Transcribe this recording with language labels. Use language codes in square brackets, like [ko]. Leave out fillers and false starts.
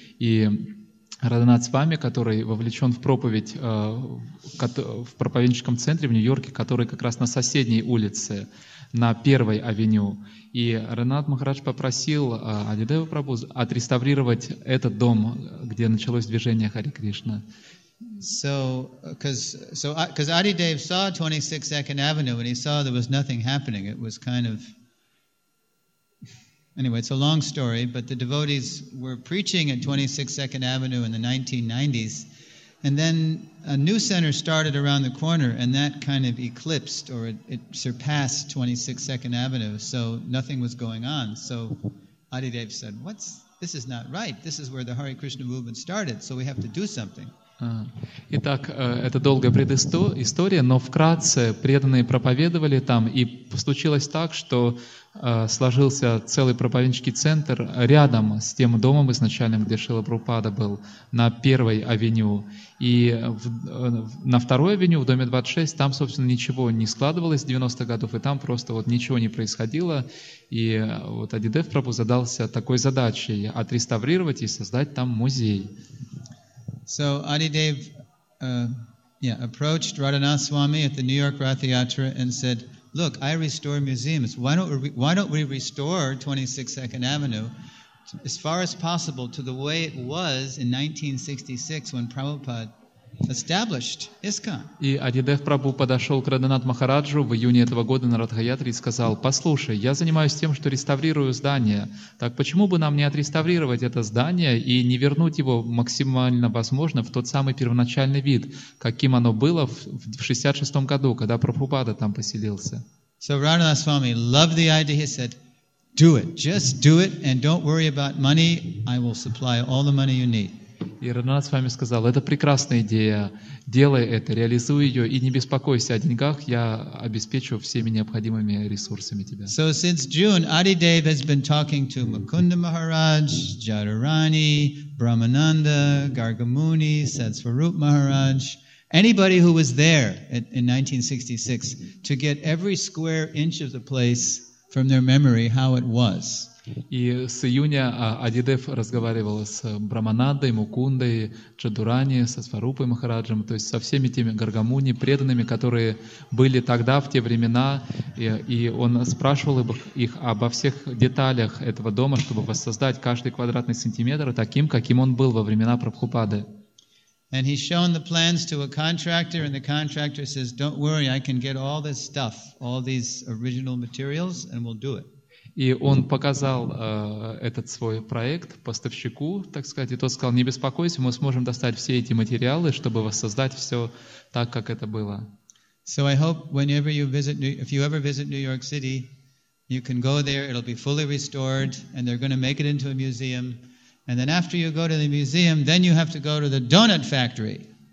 [ru] И Радханат с вами, который вовлечен в проповедь в проповедническом центре в Нью-Йорке, который как раз на соседней улице, на Первой авеню. И Ренат Махарадж попросил Адидева Прабху отреставрировать этот дом, где началось движение Хари Кришна. [en] So, because Adidev saw 26 Second Avenue and he saw there was nothing happening. It was kind of... Anyway, it's a long story, but the devotees were preaching at 26 Second Avenue in the 1990s. And then a new center started around the corner, and that kind of eclipsed, or it surpassed 26 Second Avenue, so nothing was going on. So Adidev said, this is not right. This is where the Hare Krishna movement started, so we have to do something. [ru] Итак, это долгая предыстория, но вкратце преданные проповедовали там, и случилось так, что сложился целый проповеднический центр рядом с тем домом изначальным, где Шрила Прабхупада был, на Первой авеню. И на Второй авеню, в доме 26, там, собственно, ничего не складывалось с 90-х годов, и там просто вот ничего не происходило. И вот Адидев Прабху задался такой задачей — отреставрировать и создать там музей. [en] So Adidev approached Radhanath Swami at the New York Ratha Yatra and said, "Look, I restore museums. Why don't we restore 26 Second Avenue as far as possible to the way it was in 1966 when Prabhupada established ISKCON?" [ru] И Адидев Прабху подошел к Радханат Махараджу в июне этого года на Радхаятре и сказал: "Послушай, я занимаюсь тем, что реставрирую здание. Так почему бы нам не отреставрировать это здание и не вернуть его максимально возможно в тот самый первоначальный вид, каким оно было в 66 году, когда Прабхупада там поселился?" [en] So Radhanath Swami loved the idea. He said, "Do it. Just do it and don't worry about money. I will supply all the money you need." [ru] И Радханат с вами сказал: "Это прекрасная идея. Делай это, реализуй ее и не беспокойся о деньгах. Я обеспечу всеми необходимыми ресурсами тебя." [en] So since June, Adidev has been talking to Mukunda Maharaj, Jadurani, Brahmananda, Gargamuni, Satswarup Maharaj, anybody who was there in 1966 to get every square inch of the place from their memory how it was. [ru] И с июня Адидев разговаривал с Брамананой, Мукундой, Джадурани, со Сварупой Махараджем, то есть со всеми теми Гаргамуни, преданными, которые были тогда, в те времена, и он спрашивал их обо всех деталях этого дома, чтобы воссоздать каждый квадратный сантиметр таким, каким он был во времена Прабхупады. [en] And he's shown the plans to a contractor, and the contractor says, "Don't worry, I can get all this stuff, all these original materials, and we'll do it." [ru] И он показал этот свой проект поставщику, так сказать, и тот сказал: "Не беспокойся, мы сможем достать все эти материалы, чтобы воссоздать все так, как это было." [en] So I hope whenever you visit, if you ever visit New York City, You can go there, it'll be fully restored, and they're going to make it into a museum. And then after you go to the museum, then you have to go to the donut factory.